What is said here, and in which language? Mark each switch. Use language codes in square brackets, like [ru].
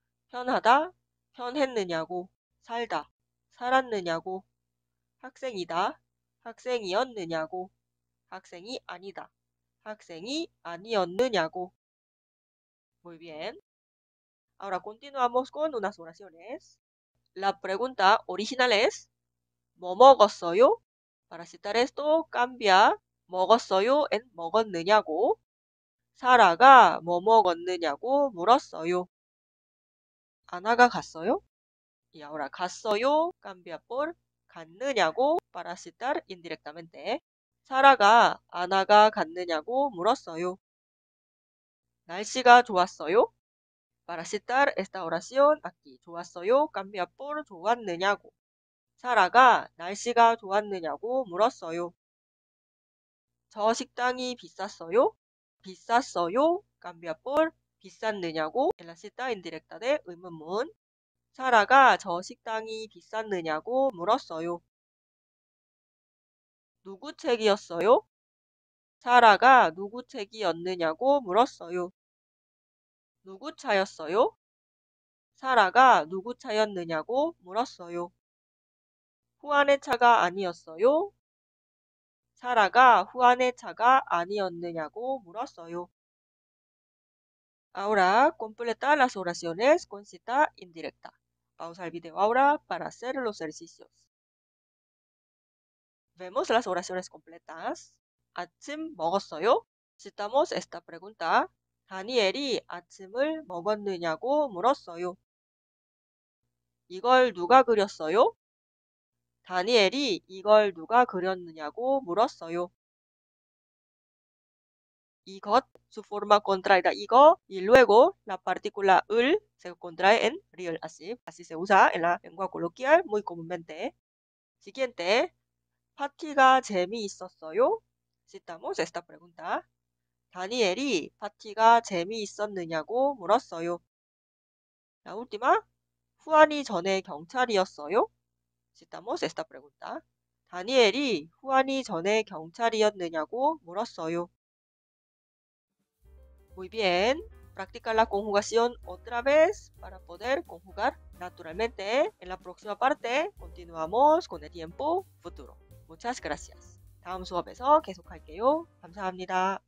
[ko] 편하다, 편했느냐고, 살다, 살았느냐고, 학생이다, 학생이었느냐고, 학생이 아니다, 학생이 아니었느냐고. [es] Muy bien. Ahora continuamos con unas oraciones. La pregunta original es, [ko] ¿Mo mogossoyo? [es] Para citar esto, cambia [ko] mogossoyo [es] en [ko] mogonneunyago. Sara가 뭐 먹었느냐고 물었어요. Ana가 갔어요? [es] Y ahora, [ko] 갔어요 [es] cambia por [ko] 갔느냐고 [es] para citar indirectamente. [ko] 사라가 아나가 갔느냐고 물었어요. 날씨가 좋았어요? [es] Para citar esta oración, aquí [ko] 좋았어요 [es] cambia por [ko] 좋았느냐고. 사라가 날씨가 좋았느냐고 물었어요. 저 식당이 비쌌어요? 비쌌어요 [es] cambia por [ko] 비쌌느냐고. [es] En la cita indirecta de 의문문. [ko] 사라가 저 식당이 비쌌느냐고 물었어요. 누구 책이었어요? 사라가 누구 책이었느냐고 물었어요. 누구 차였어요? 사라가 누구 차였느냐고 물었어요. 후안의 차가 아니었어요? 사라가 후안의 차가 아니었느냐고 물었어요. [es] Ahora completa las oraciones con cita indirecta. Vamos al video ahora para hacer los ejercicios. Vemos las oraciones completas. [ko] 아침 먹었어요? [es] Citamos esta pregunta. [ko] 다니엘이 아침을 먹었느냐고 물었어요. 이걸 누가 그렸어요? 다니엘이 이걸 누가 그렸느냐고 물었어요. [es] 이것, su forma contraída 이거, y luego la partícula 을 se contrae en 리을, así. Así se usa en la lengua coloquial muy comúnmente. Siguiente, [ko] 파티가 재미있었어요? [es] Citamos esta pregunta. [ko] 다니엘이 파티가 재미있었느냐고 물었어요. [es] La última, [ko] 후안이 전에 경찰이었어요? [es] Citamos esta pregunta. [ko] 다니엘이 후안이 전에 경찰이었느냐고 물었어요. [es] Muy bien, practica la conjugación otra vez para poder conjugar naturalmente. En la próxima parte continuamos con el tiempo futuro. Muchas gracias. [ko] 다음 수업에서 계속할게요. 감사합니다.